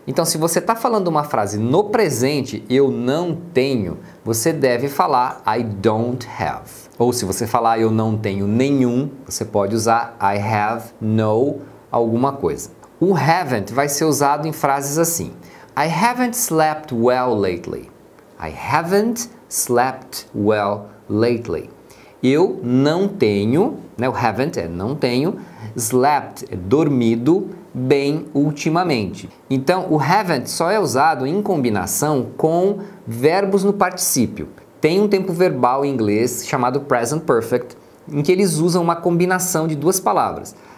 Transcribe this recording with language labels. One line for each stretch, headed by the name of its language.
Portuguese: Então, se você está falando uma frase no presente, eu não tenho, você deve falar
English: I don't have.
Portuguese: Ou se você falar eu não tenho nenhum, você pode usar
English: I have no
Portuguese: alguma coisa. O haven't vai ser usado em frases assim.
English: I haven't slept well lately. I haven't slept well lately.
Portuguese: Eu não tenho, né? O haven't é não tenho, slept é dormido bem ultimamente. Então, o haven't só é usado em combinação com verbos no particípio. Tem um tempo verbal em inglês chamado present perfect, em que eles usam uma combinação de duas palavras.